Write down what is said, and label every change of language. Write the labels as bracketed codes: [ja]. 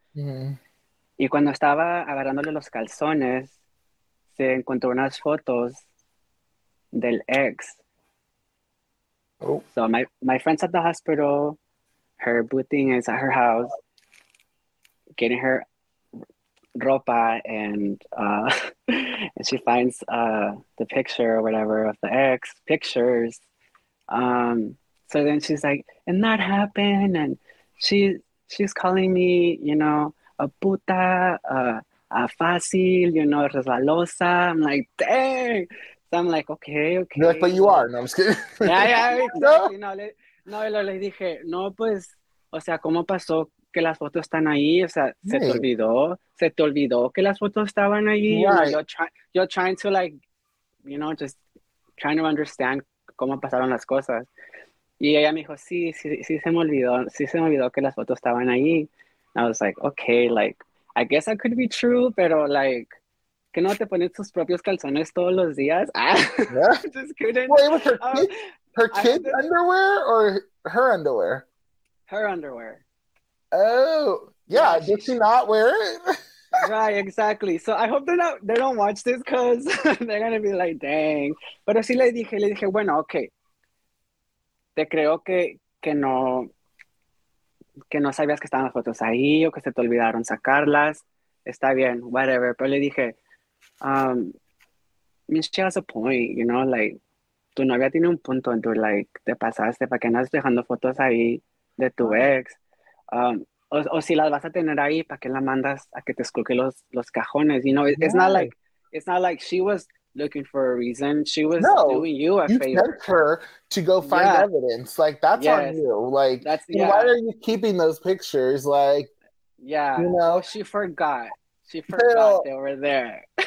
[es] Y cuando estaba agarrándole los calzones, se encontró unas fotos del ex. [en] So my friend's at the hospital, her boo thing is at her house, getting her ropa, and she finds the picture or whatever of the ex pictures. So then she's like, and that happened, and she's calling me, you know, a puta, a fácil, you know, resbalosa. I'm like, dang. So I'm like, okay. You're like, but you are. No, I'm just kidding. [es] le dije, no, pues, o sea, ¿cómo pasó que las fotos están ahí? O sea, ¿se te olvidó? ¿Se te olvidó que las fotos estaban ahí? [en] Right. You're trying to, like, you know, just trying to understand [es] cómo pasaron las cosas. Y ella me dijo, sí se me olvidó que las fotos estaban ahí. [en] I was like, okay, like, I guess I could be true, [es] pero, [en] like, [es] ¿que no te pones tus propios calzones todos los días? [en] Just kidding. Wait, was her kid's underwear or her underwear? Her underwear. Oh, yeah. Did she not wear it? Right, exactly. So I hope they don't watch this because they're going to be like, dang. [es] Pero sí le dije, bueno, okay. Te creo que no sabías que estaban las fotos ahí o que se te olvidaron sacarlas. Está bien, [en] whatever. [es] Pero le dije, [en] she has a point, you know, [es] like, tu novia tiene un punto en tu, like, te pasaste, ¿para qué andas dejando fotos ahí de tu ex? O si las vas a tener ahí, ¿para qué la mandas a que te escuque los cajones? [en] You know, it's not like she was looking for a reason. She was doing you a favor. You sent her to go find evidence. Like, that's on you. Like, that's, why are you keeping those pictures? Like, you know? She forgot they were there.